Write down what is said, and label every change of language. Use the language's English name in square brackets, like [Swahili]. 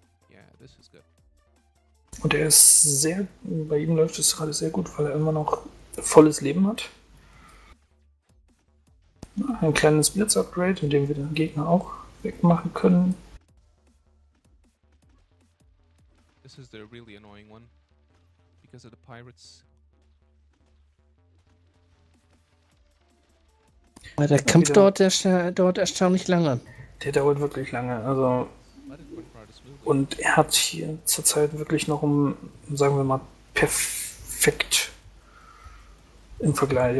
[English] Yeah, this is good. [German] Und er ist sehr, bei ihm läuft es gerade sehr gut, weil er immer noch volles Leben hat. Ein kleines Blitz-Upgrade, mit dem wir den Gegner auch wegmachen können. [English] This is the really annoying one, because of the pirates. [German] Weil der Kampf dauert, dauert erstaunlich lange. Der dauert wirklich lange, also... Und er hat hier zurzeit wirklich noch sagen wir mal, perfekt im Vergleich.